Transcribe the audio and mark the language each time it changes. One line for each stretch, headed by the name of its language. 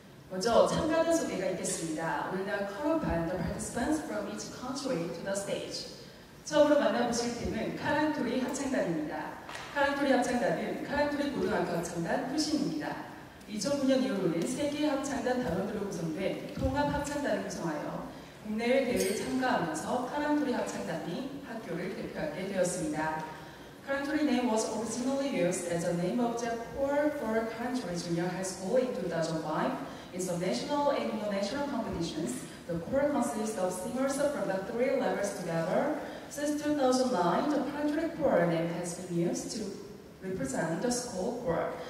Korean: 먼저 참가자 소개가 있겠습니다. 오늘날
English: Choral band participants from each country to the stage.
Korean: 처음으로 만나보실 팀은 카랑토리 합창단입니다. 카랑토리 합창단은 카랑토리 고등학교 합창단 출신입니다. 2009년 이후로는 세계 합창단 단원들로 구성된 통합 합창단을 구성하여 국내외 대회에 참가하면서 카랑토리 합창단이 학교를 대표하게 되었습니다.
English: Karangturi name was originally used as the name of the choir for Karangturi Junior High School in 2005. In some national and international competitions, the choir consists of singers from the three levels together. Since 2009, the Karangturi choir name has been used to represent the school choir.